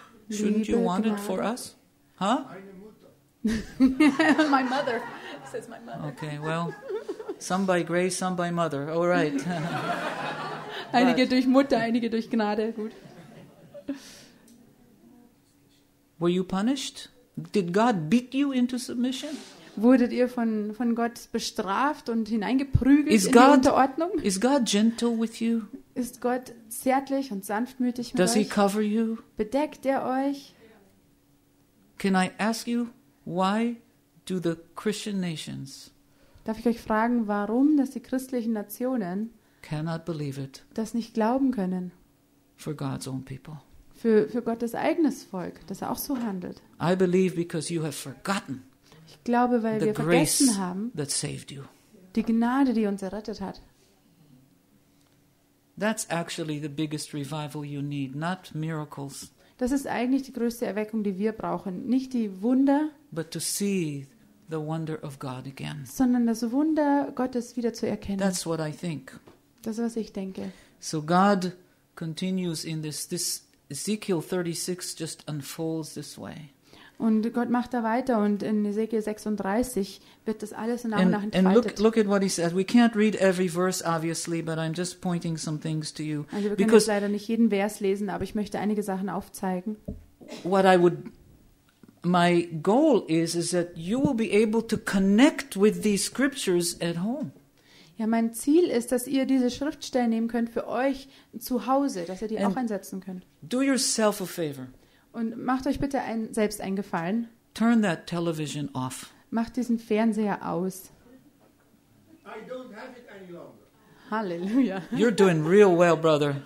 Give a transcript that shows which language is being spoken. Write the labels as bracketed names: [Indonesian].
[English] Shouldn't you want it for us? Huh? My mother. Says my mother. Okay, well, some by grace, some by mother. All right. [German] Einige durch Mutter, einige durch Gnade. Gut. [English] Were you punished? Did God beat you into submission? [German] Wurdet ihr von Gott bestraft und hineingeprügelt in die Unterordnung? [English] Is God gentle with you? [German] Ist Gott zärtlich und sanftmütig mit [English] Does [German] euch? [English] He cover you? [German] Bedeckt er euch? [English] Can I ask you, why do the Christian nations? [German] Darf ich euch fragen, warum dass die christlichen Nationen [English] cannot believe it? [German] Das nicht glauben können. [English] For God's own people. [German] Für Gottes eigenes Volk, dass er auch so handelt. [English] I believe because you have forgotten. [German] Ich glaube, weil wir vergessen haben. [English] That saved you. [German] Die Gnade, die uns errettet hat. [English] That's actually the biggest revival you need, not miracles. [German] Das ist eigentlich die größte Erweckung, die wir brauchen, nicht die Wunder, [English] but to see the wonder of God again. [German] Sondern das Wunder Gottes wieder zu erkennen. [English] That's what I think. [German] Das ist, was ich denke. [English] So God continues in this Ezekiel 36 just unfolds this way. [German] Und Gott macht da weiter und in Ezekiel 36 wird das alles nach und nach entfaltet. [English] And look at what he says. We can't read every verse obviously, but I'm just pointing some things to you. [German] Also wir können leider nicht jeden Vers lesen, aber ich möchte einige Sachen aufzeigen. [English] My goal is that you will be able to connect with these scriptures at home. [German] Ja, mein Ziel ist, dass ihr diese Schriftstellen nehmen könnt für euch zu Hause, dass ihr die auch einsetzen könnt. [English] Do yourself a favor. [German] Und macht euch bitte selbst einen Gefallen. [English] Turn that television off. [German] Macht diesen Fernseher aus. [English] I don't have it any longer. [German] Halleluja. [English] You're doing real well, brother.